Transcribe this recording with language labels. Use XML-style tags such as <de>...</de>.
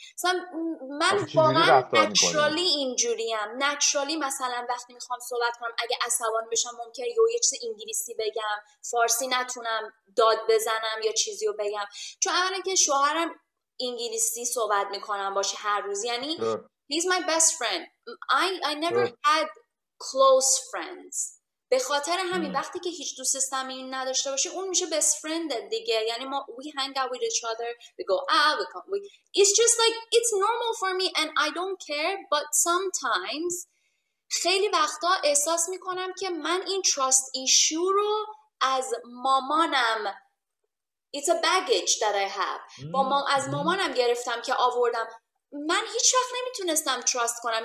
<fa>مثلا من واقعا نچرالی اینجوریم، نچرالی مثلا وقتی میخوام صحبت کنم اگه عصبانی بشم ممکنه یه چیز انگلیسی بگم، فارسی نتونم داد بزنم یا چیزی رو بگم، چون اولا که شوهرم انگلیسی صحبت میکنم باشه هر روز، یعنی</fa> <en>he's my best friend. I never had close friends.</en> <fa>به خاطر همین وقتی که هیچ دوست صمیمی نداشته باشه اون میشه best friend دیگه، یعنی ما</fa> <en>we hang out with each other, we go out, we come, it's just like it's normal for me and I don't care. But sometimes</en> <fa>خیلی وقتا احساس میکنم که من این trust issue رو از مامانم،</fa> <en>it's a baggage that I have.</en> <fa>از مامانم گرفتم که آوردم. من هیچ وقت نمیتونستم trust کنم.</fa>